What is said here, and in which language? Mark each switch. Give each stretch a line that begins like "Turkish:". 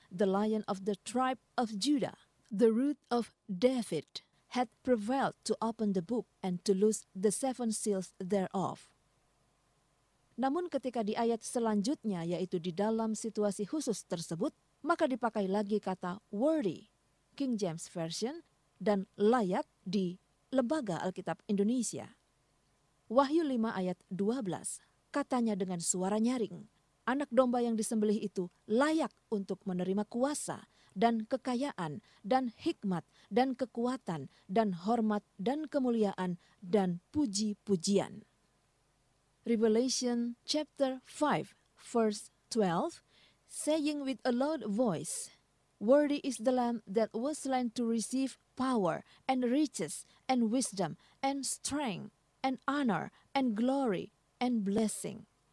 English: the lion of the tribe of Judah, the root of David, had prevailed to open the book and to loose the seven seals thereof.
Indonesian: Namun ketika di ayat selanjutnya, yaitu di dalam situasi khusus tersebut, maka dipakai lagi kata worthy, King James Version, dan layak di Lembaga Alkitab Indonesia. Wahyu 5 ayat 12, katanya dengan suara nyaring, anak domba yang disembelih itu layak untuk menerima kuasa dan kekayaan dan hikmat dan kekuatan dan hormat dan kemuliaan dan puji-pujian.
English: Revelation chapter 5 verse 12, saying with a loud voice, worthy is the Lamb that was slain to receive power and riches and wisdom and strength and honor and glory and blessing.